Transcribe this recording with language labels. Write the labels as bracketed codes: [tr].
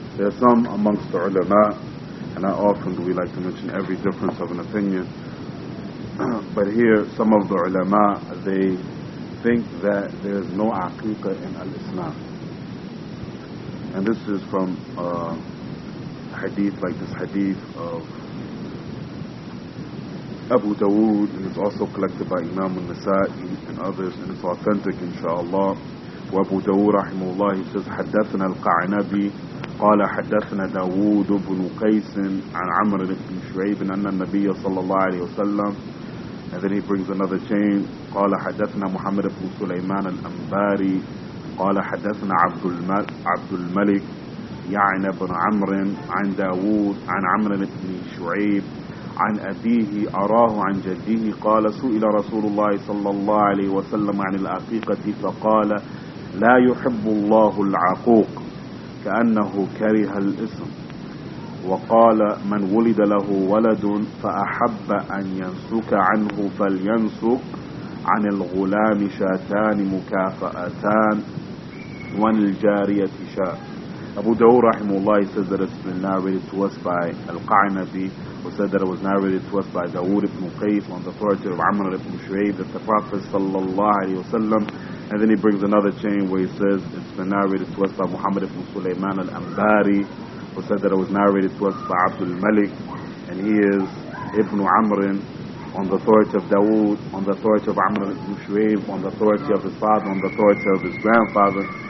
[en] There are some amongst the ulama, and not often do we like to mention every difference of an opinion, but here some of the ulama, they think that there is no aqiqah in al-Islam. And this is from hadith, like this hadith of Abu Dawood, and it's also collected by Imam al-Nasa'i and others, and it's authentic inshallah. [ar] وابو داود رحمه الله says حدثنا القعنبي قال حدثنا داود بن قيس عن عمر بن شعيب أن النبي صلى الله عليه وسلم, [en] and then he brings another chain, [ar] قال حدثنا محمد بن سليمان الأنباري قال حدثنا عبد الملك يعني بن عمر عن داود عن عمر بن شعيب عن أبيه أراه عن جده قال سئل رسول الله صلى الله عليه وسلم عن الأقيقة فقال لا يحب الله العقوق كأنه كره الاسم وقال من ولد له ولد فأحب أن ينسك عنه فلينسك عن الغلام شاتان مكافأتان والجارية شاء. [en] Abu Dawood رحمه الله says that it's been narrated to us by Al-Qa'nabi, who said that it was narrated to us by Dawood ibn Qayf on the authority of Amr ibn Shu'ayb, that the Prophet sallallahu alayhi wasallam, and then he brings another chain where he says it's been narrated to us by Muhammad ibn Sulaiman al-Ambari, who said that it was narrated to us by Abdul Malik, and he is Ibn Amr, on the authority of Dawood, on the authority of Amr ibn Shu'ayb, on the authority of his father, on the authority of his grandfather,